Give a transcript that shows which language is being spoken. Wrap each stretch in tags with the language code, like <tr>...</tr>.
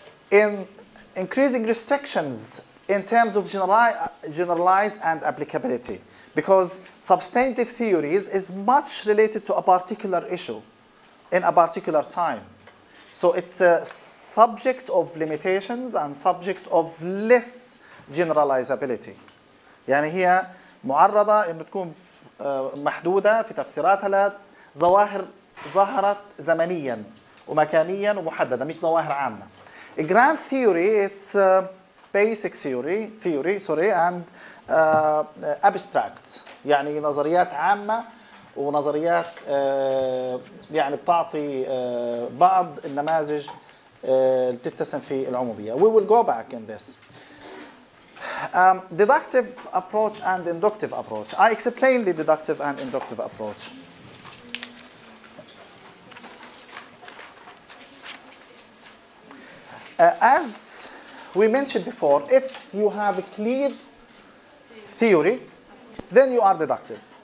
<en>In increasing restrictions in terms of generalize and applicability, because substantive theories is much related to a particular issue. In a particular time. So it's a subject of limitations and subject of less generalizability.</en> <ar>يعني هي معرضة إنه تكون محدودة في تفسيراتها لظواهر ظهرت زمنيا ومكانيا ومحددة مش ظواهر عامة.</ar> <en>A grand theory it's a basic theory and abstract</en> <ar>يعني نظريات عامة ونظريات يعني بتعطي بعض النماذج اللي تتسم في العموميه.</ar> <en>We will go back in this. Deductive approach and inductive approach. I explain the deductive and inductive approach. As we mentioned before, if you have a clear theory, then you are deductive.</en>